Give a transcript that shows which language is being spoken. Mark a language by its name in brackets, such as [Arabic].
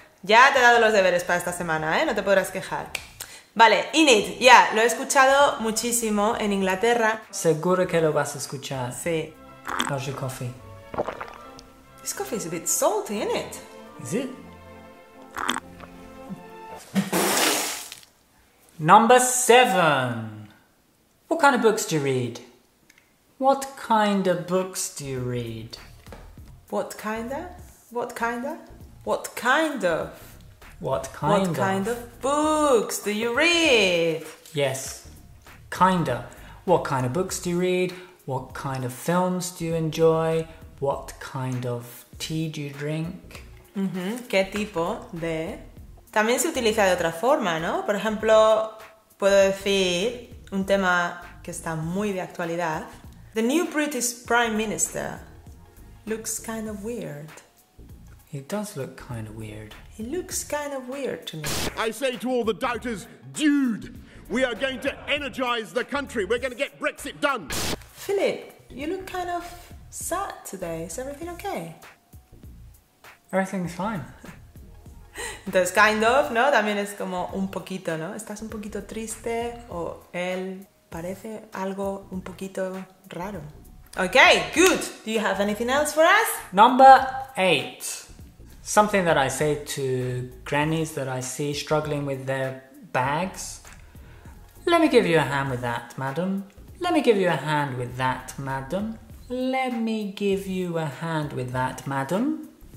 [Spanish] Ya te he dado los deberes para esta semana, ¿eh? No te podrás quejar. Vale, innit, ya, yeah, lo he escuchado muchísimo en Inglaterra. Seguro que lo vas a escuchar. Sí. [English] How's your coffee? This coffee is a bit salty, isn't it? Is it? Number seven. What kind of books do you read? What kind of books do you read? What kind of? What kind of? What kind of? What kind of books do you read? Yes, kind of. What kind of books do you read? What kind of films do you enjoy? What kind of tea do you drink? [Spanish] Mm-hmm. ¿Qué tipo de...? También se utiliza de otra forma, ¿no? Por ejemplo, puedo decir un tema que está muy de actualidad. [English] The new British Prime Minister looks kind of weird. He does look kind of weird. He looks kind of weird to me. I say to all the doubters, dude, we are going to energize the country. We're going to get Brexit done. Philip, you look kind of sad today. Is everything okay? Everything's fine. [Spanish] Entonces, kind of, ¿no? También es como un poquito, ¿no? Estás un poquito triste o él parece algo un poquito raro. [English] Okay, good. Do you have anything else for us? Number eight. Something that I say to grannies that I see struggling with their bags. Let me give you a hand with that, madam. Let me give you a hand with that, madam. Let me give you a hand with that, madam.